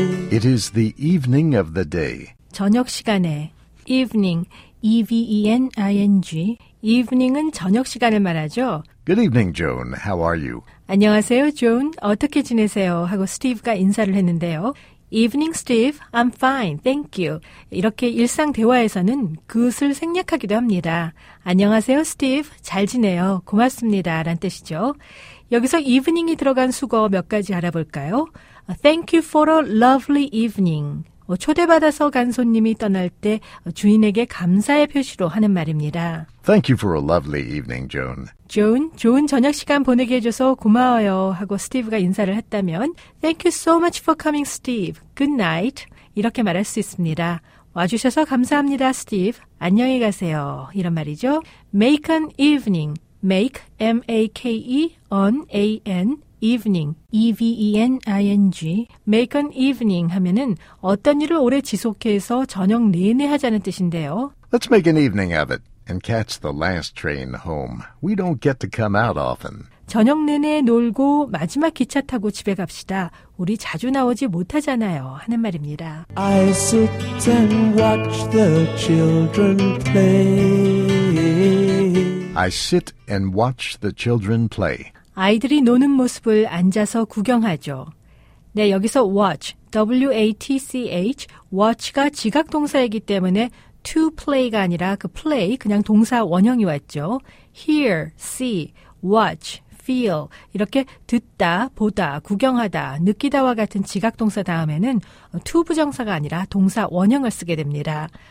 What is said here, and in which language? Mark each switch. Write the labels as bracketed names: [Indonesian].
[English] It is the evening of the day. [Korean] 저녁 시간에 evening, E-V-E-N-I-N-G. Evening은 저녁 시간을 말하죠. [English] Good evening, Joan. How are you? [Korean] 안녕하세요, Joan. 어떻게 지내세요? 하고 스티브가 인사를 했는데요. [English] Evening, Steve. I'm fine. Thank you. [Korean] 이렇게 일상 대화에서는 그것을 생략하기도 합니다. 안녕하세요, Steve. 잘 지내요. 고맙습니다. 라는 뜻이죠. 여기서 evening이 들어간 수거 몇 가지 알아볼까요? [English] Thank you for a lovely evening. [Korean] 초대받아서 간 손님이 떠날 때 주인에게 감사의 표시로 하는 말입니다. [English] Thank you for a lovely evening, Joan. [Korean] Joan, 좋은 저녁 시간 보내게 해줘서 고마워요 하고 스티브가 인사를 했다면 [English] Thank you so much for coming, Steve. Good night. [Korean] 이렇게 말할 수 있습니다. 와주셔서 감사합니다, Steve. 안녕히 가세요. 이런 말이죠. [English] Make an evening. Make, M-A-K-E, an, A-N. Evening, E-V-E-N-I-N-G. [Korean] Make an evening 하면은 어떤 일을 오래 지속해서 저녁 내내 하자는 뜻인데요. [English] Let's make an evening of it and catch the last train home. We don't get to come out often. [Korean] 저녁 내내 놀고 마지막 기차 타고 집에 갑시다. 우리 자주 나오지 못하잖아요 하는 말입니다. [English] I sit and watch the children play. I sit and watch the children play. [Korean] 아이들이 노는 모습을 앉아서 구경하죠. 네, 여기서 watch, W-A-T-C-H, watch가 지각동사이기 때문에 to play가 아니라 그 play, 그냥 동사 원형이 왔죠. hear, see, watch, feel, 이렇게 듣다, 보다, 구경하다, 느끼다와 같은 지각동사 다음에는 to 부정사가 아니라 동사 원형을 쓰게 됩니다.